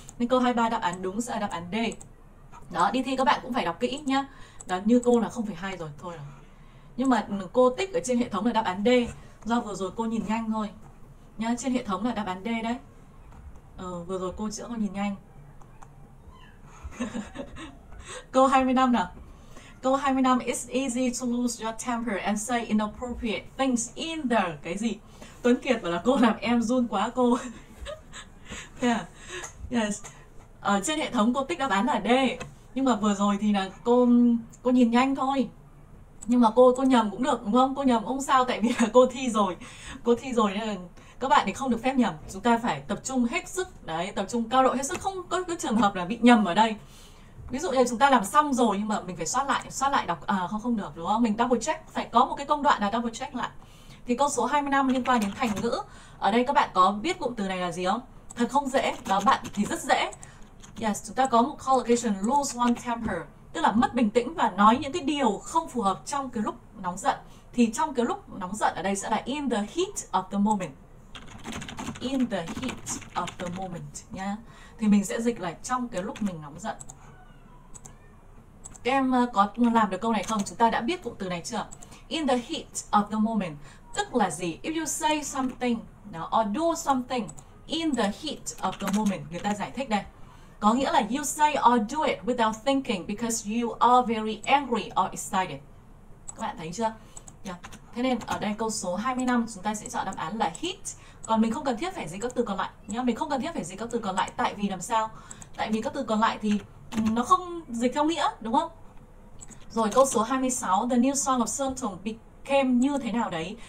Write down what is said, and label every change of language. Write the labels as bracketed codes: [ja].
[vi] Nên câu 23 đáp án đúng sẽ là đáp án D. Đó, đi thi các bạn cũng phải đọc kỹ nhá. Đó, như cô là 0,2 rồi, thôi rồi. Nhưng mà cô tích ở trên hệ thống là đáp án D. Do vừa rồi cô nhìn nhanh thôi nhá, trên hệ thống là đáp án D đấy. Vừa rồi cô chữa cô nhìn nhanh. Câu 25 nào. Câu 25, [en] it's easy to lose your temper and say inappropriate things in the... [vi] Cái gì? Tuấn Kiệt bảo là cô làm em run quá cô. Yes. Ở trên hệ thống cô tích đáp án là D. Nhưng mà vừa rồi thì là cô nhìn nhanh thôi. Nhưng mà cô nhầm cũng được, đúng không? Cô nhầm cũng không sao, tại vì là cô thi rồi. Cô thi rồi nên các bạn thì không được phép nhầm. Chúng ta phải tập trung hết sức. Đấy, tập trung cao độ hết sức. Không có cái trường hợp là bị nhầm ở đây. Ví dụ như chúng ta làm xong rồi nhưng mà mình phải soát lại đọc, không được đúng không? Mình double check, phải có một cái công đoạn là double check lại. Thì câu số 25 liên quan đến thành ngữ. Ở đây các bạn có biết cụm từ này là gì không? Thật không dễ, đó bạn thì rất dễ. Yes, chúng ta có một collocation, [en] lose one temper. [vi] Tức là mất bình tĩnh và nói những cái điều không phù hợp trong cái lúc nóng giận. Thì trong cái lúc nóng giận ở đây sẽ là [en] in the heat of the moment. In the heat of the moment, [vi] nhá. Thì mình sẽ dịch lại trong cái lúc mình nóng giận. Các em có làm được câu này không? Chúng ta đã biết cụm từ này chưa? [en] In the heat of the moment. [vi] Tức là gì? [en] If you say something or do something in the heat of the moment. [vi] Người ta giải thích đây. Có nghĩa là [en] you say or do it without thinking because you are very angry or excited. [vi] Các bạn thấy chưa? Yeah. Thế nên ở đây câu số 25 chúng ta sẽ chọn đáp án là heat. Còn mình không cần thiết phải dịch các từ còn lại. Mình không cần thiết phải dịch các từ còn lại. Tại vì làm sao? Tại vì các từ còn lại thì nó không dịch theo nghĩa, đúng không? Rồi câu số 26, [en] the new song of [vi] Sơn Tùng became như thế nào đấy?